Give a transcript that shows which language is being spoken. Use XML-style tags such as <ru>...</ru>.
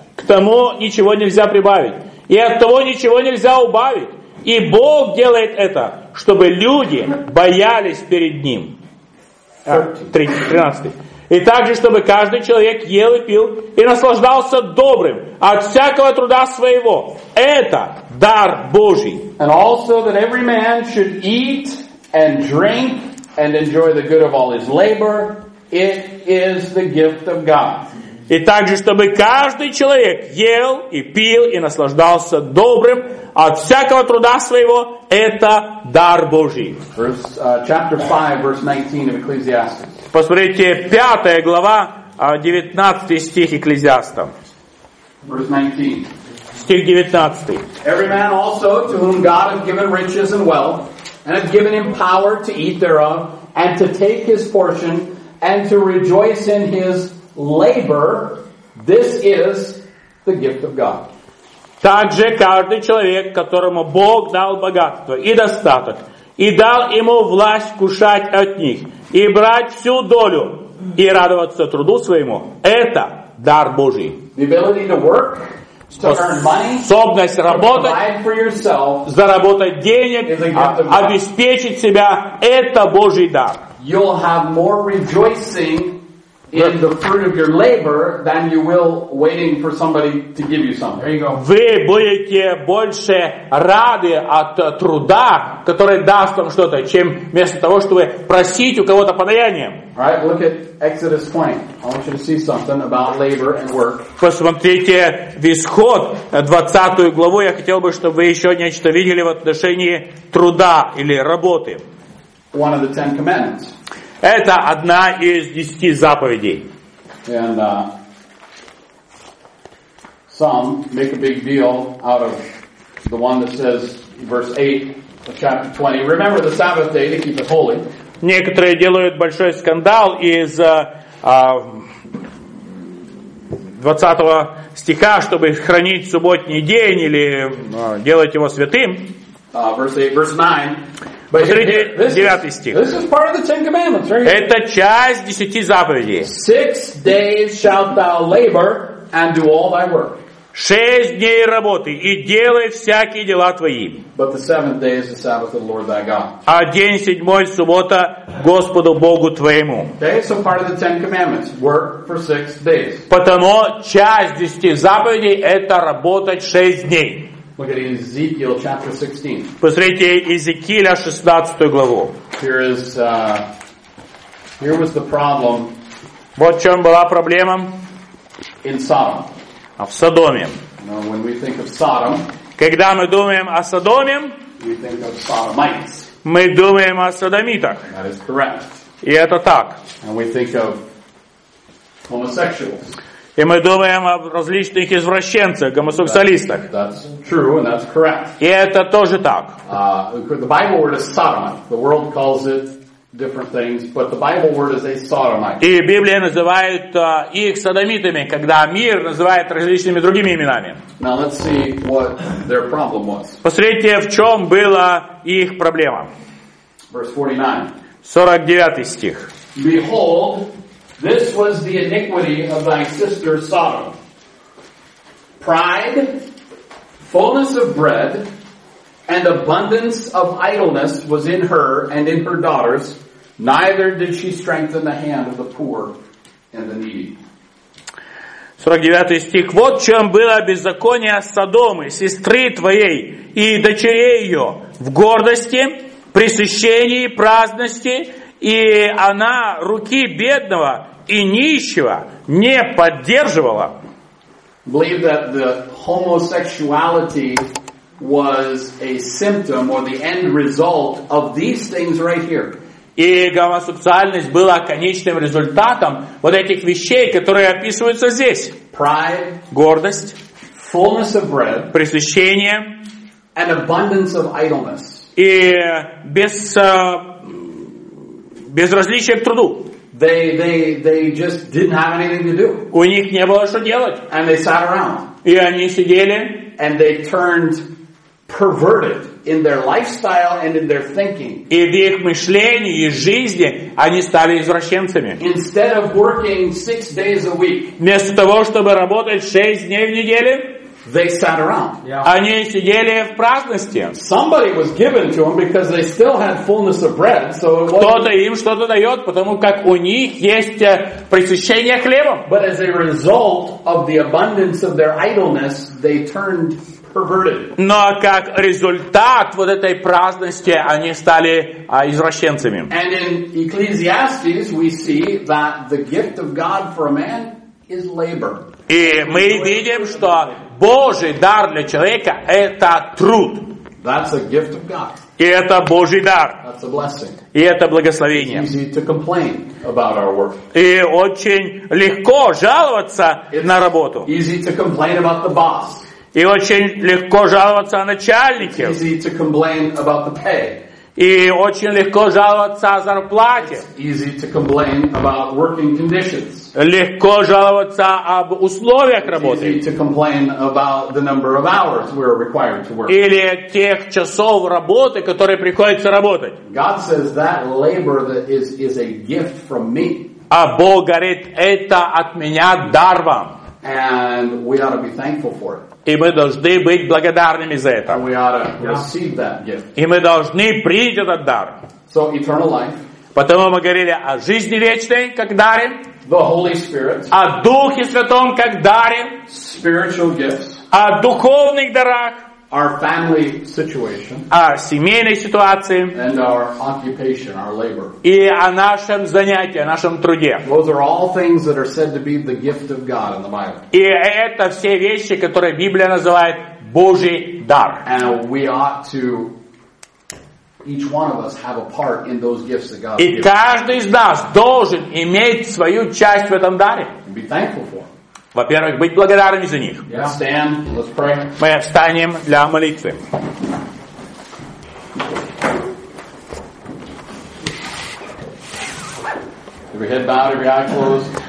<ru>К тому ничего нельзя прибавить. И от того ничего нельзя убавить. И Бог делает это, чтобы люди боялись перед Ним. 13. И также, чтобы каждый человек ел и пил, и наслаждался добрым от всякого труда своего. Это дар Божий.</ru> <en>And also that every man should eat and drink and enjoy the good of all his labor. It is the gift of God.</en> <ru>И также, чтобы каждый человек ел и пил и наслаждался добрым от всякого труда своего, это дар Божий.</ru> <en>Chapter 5, verse 19 of Ecclesiastes.</en> <ru>Посмотрите, 5 глава, 19 стих Екклезиаста.</ru> <en>Verse 19.</en> <ru>Стих 19.</ru> <en>Every man also to whom God hath given riches and wealth, and hath given him power to eat thereof, and to take his portion, and to rejoice in his labor, this is the gift of God.</en> <ru>Также каждый человек, которому Бог дал богатство и достаток, и дал ему власть кушать от них, и брать всю долю, и радоваться труду своему, это дар Божий.</ru> <en>The ability to work,</en> <ru>способность работать, заработать денег, обеспечить себя, это Божий дар.</ru> <en>You'll have more rejoicing in the fruit of your labor than you will waiting for somebody to give you something. There you go.</en> <ru>Вы будете больше рады от труда, который даст вам что-то, чем вместо того, чтобы просить у кого-то подаяние.</ru> <en>Right, look at Exodus 20. I want you to see something about labor and work.</en> <ru>Посмотрите в Исход 20 главу. Я хотел бы, чтобы вы еще нечто видели в отношении труда или работы.</ru> <en>One of the Ten Commandments.</en> <ru>Это одна из 10 заповедей.</ru> <en>And some make a big deal out of the one that says verse 8 of chapter 20. Remember the Sabbath day to keep it holy.</en> <ru>Некоторые делают большой скандал из 20 стиха, чтобы хранить субботний день или делать его святым.</ru> <en>Verse 8, verse 9.</en> <ru>Посмотрите, 9 стих.</ru> <en>This is part of the Ten Commandments, right?</en> <ru>Это часть 10 заповедей.</ru> <en>6 days shalt thou labor and do all thy work.</en> <ru>6 дней работы и делай всякие дела твои.</ru> <en>But the seventh day is the Sabbath of the Lord thy God.</en> <ru>А день седьмой суббота Господу Богу твоему.</ru> <en>Okay, so part of the Ten Commandments, work for 6 days.</en> <ru>Потому часть 10 заповедей это работать 6 дней.</ru> <en>Look at Ezekiel chapter 16.</en> <ru>Посмотрите Иезекииля 16 главу.</ru> <en>Here is here was the problem.</en> <ru>Вот в чем была проблема.</ru> <en>In Sodom.</en> <ru>А в Содоме.</ru> <en>Now, when we think of Sodom,</en> <ru>когда мы думаем о Содоме,</ru> <en>we think of Sodomites.</en> <ru>Мы думаем о Содомитах.</ru> <en>That is correct.</en> <ru>И это так.</ru> <en>And we think of homosexuals.</en> <ru>И мы думаем о различных извращенцах, гомосексуалистах.</ru> <en>That's true and that's correct.</en> <ru>И это тоже так.</ru> <en>The Bible word is sodomite. The world calls it different things, but the Bible word is a sodomite.</en> <ru>И Библия называет их содомитами, когда мир называет различными другими именами.</ru> <en>Now let's see what their problem was.</en> <ru>Посмотрите, в чем была их проблема.</ru> <en>Verse 49.</en> <ru>49 стих.</ru> <en>Behold, this was the iniquity of thy sister Sodom. Pride, fullness of bread, and abundance of idleness was in her and in her daughters, neither did she strengthen the hand of the poor and the needy.</en> <ru>49 стих. Вот чем было беззаконие Содомы, сестры твоей и дочерей ее, в гордости, пресыщении, праздности, и она руки бедного и нищего не поддерживала.</ru> <en>Believe that the homosexuality was a symptom or the end result of these things right here.</en> <ru>И гомосексуальность была конечным результатом вот этих вещей, которые описываются здесь.</ru> <en>Pride,</en> <ru>гордость,</ru> <en>fullness of bread,</en> <ru>пресыщение,</ru> <en>and abundance of idleness.</en> <ru>и без различия к труду.</ru> <en>They just didn't have anything to do.</en> <ru>У них не было что делать.</ru> <en>And they sat around.</en> <ru>И они сидели.</ru> <en>And they turned perverted in their lifestyle and in their thinking.</en> <ru>И в их мышлении и жизни они стали извращенцами.</ru> <en>Instead of working 6 days a week.</en> <ru>Вместо того, чтобы работать 6 дней в неделю.</ru> <en>They sat around.</en> <ru>Они сидели в праздности.</ru> <en>Somebody was given to them because they still had fullness of bread. So</en> <ru>кто-то им что-то дает, потому как у них есть пресыщение хлебом.</ru> <en>But as a result of the abundance of their idleness, they turned perverted.</en> <ru>Но как результат вот этой праздности, они стали извращенцами.</ru> <en>And in Ecclesiastes, we see that the gift of God for a man is labor.</en> <ru>И мы видим, что Божий дар для человека – это труд.</ru> <en>That's a gift of God.</en> <ru>И это Божий дар.</ru> <en>That's a blessing.</en> <ru>И это благословение.</ru> <en>It's easy to complain about our work.</en> <ru>И очень легко жаловаться</ru> <en>It's</en> <ru>на работу.</ru> <en>Easy to complain about the boss.</en> <ru>И очень легко жаловаться о начальнике.</ru> <en>It's easy to complain about the pay.</en> <ru>И очень легко жаловаться о зарплате.</ru> <en>It's easy to complain about working conditions.</en> <ru>Легко жаловаться об условиях работы.</ru> <en>It's easy to complain about the number of hours we're required to work.</en> <ru>Или тех часов работы, которые приходится работать.</ru> <en>God says that labor that is a gift from me.</en> <ru>А Бог говорит, это от меня дар вам.</ru> <en>And we ought to be thankful for it.</en> <ru>И мы должны быть благодарными за это.</ru> <en>And we ought to receive that gift.</en> <ru>И мы должны принять этот дар.</ru> <en>So eternal life.</en> <ru>Потому мы говорили о жизни вечной как даре.</ru> <en>The Holy Spirit.</en> <ru>О Духе Святом как даре.</ru> <en>Spiritual gifts.</en> <ru>О духовных дарах.</ru> <en>Our family situation.</en> <ru>О семейной ситуации.</ru> <en>And our occupation, our labor.</en> <ru>И о нашем занятии, о нашем труде.</ru> <en>Those are all things that are said to be the gift of God in the Bible.</en> <ru>И это все вещи, которые Библия называет Божий дар.</ru> <en>And we ought to Each one of us have a part in those gifts that God gives.</en> <ru>И каждый из нас должен иметь свою часть в этом даре.</ru> <en>Be thankful for.</en> <ru>Во-первых, быть благодарными за них.</ru> <en>Yeah. Let's stand. Let's pray.</en> <ru>Мы встанем для молитвы.</ru> <en>Every head bowed, every eye closed.</en>